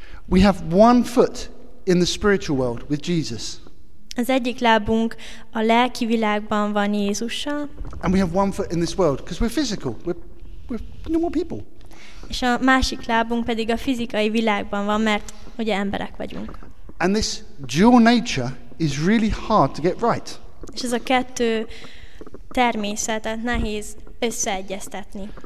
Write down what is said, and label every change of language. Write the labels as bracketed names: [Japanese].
[English] We have one foot in the spiritual world with Jesus. [Hungarian] Az egyik lábunk a lelki világban van Jézussal. [English] And we have one foot in this world, because we're physical, we're normal people. [Hungarian] És a másik lábunk pedig a fizikai világban van, mert ugye emberek vagyunk. [English] And this dual nature is really hard to get right. [Hungarian] És ez a kettő természetet nehéz összeegyeztetni.